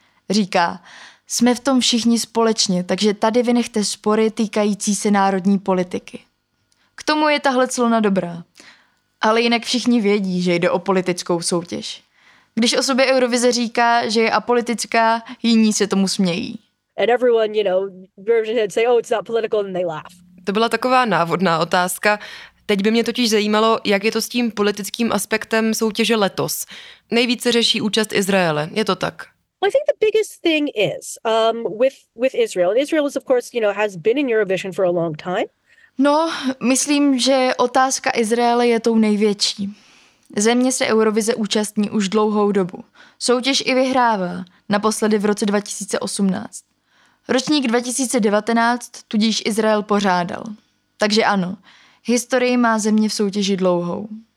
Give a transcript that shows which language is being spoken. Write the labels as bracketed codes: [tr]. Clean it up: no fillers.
[cs] Říká, jsme v tom všichni společně, takže tady vynechte spory týkající se národní politiky. K tomu je tahle clona dobrá. Ale jinak všichni vědí, že jde o politickou soutěž. Když o sobě Eurovize říká, že je apolitická, jiní se tomu smějí. [en] And everyone, you know, version head say, oh, it's not political, and they laugh. [cs] To byla taková návodná otázka. Teď by mě totiž zajímalo, jak je to s tím politickým aspektem soutěže letos. Nejvíce řeší účast Izraele. Je to tak? [en] Well, I think the biggest thing is with Israel. Israel is of course, you know, has been in Eurovision for a long time. [cs] No, myslím, že otázka Izraele je tou největší. Země se Eurovize účastní už dlouhou dobu. Soutěž i vyhrává, naposledy v roce 2018. Ročník 2019 tudíž Izrael pořádal. Takže ano, historii má země v soutěži dlouhou.